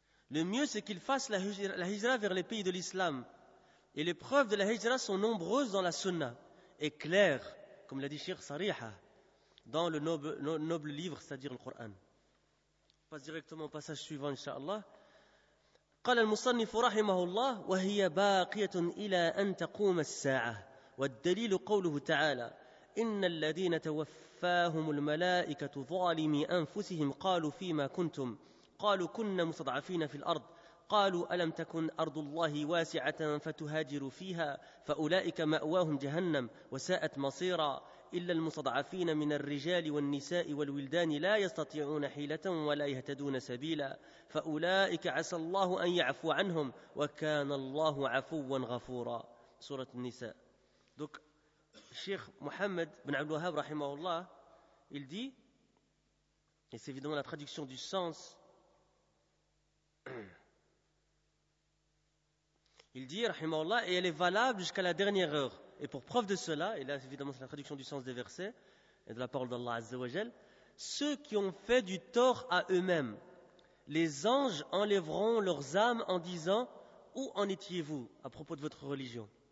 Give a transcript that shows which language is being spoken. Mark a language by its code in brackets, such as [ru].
[fr] Le mieux, c'est qu'il fasse la hijra vers les pays de l'islam. Et les preuves de la hijra sont nombreuses dans la sunna et claires, comme l'a dit Cheikh Sariha, dans le noble livre, c'est-à-dire le Coran. On passe directement au passage suivant, Inch'Allah. [ar] قال المصنف رحمه الله وهي باقية إلى أن تقوم الساعة والدليل قوله تعالى إن الذين توفاهم الملائكة ظالمي أنفسهم قالوا فيما كنتم قالوا كنا مستضعفين في الأرض قالوا ألم تكن أرض الله واسعة فتهاجروا فيها فأولئك مأواهم جهنم وساءت مصيرا إلا المستضعفين من الرجال والنساء والولدان لا يستطيعون حيلة ولا يهتدون سبيلا فأولئك عسى الله أن يعفو عنهم وكان الله عفوا غفورا. سورة النساء. دوك الشيخ محمد بن عبد الوهاب رحمه الله [fr] il dit, et c'est évidemment la traduction du sens. Il dit, rahimahullah, et elle est valable jusqu'à la dernière heure. Et pour preuve de cela, et là évidemment c'est la traduction du sens des versets et de la parole d'Allah Azza wa Jal, ceux qui ont fait du tort à eux-mêmes, les anges enlèveront leurs âmes en disant, où en étiez-vous à propos de votre religion?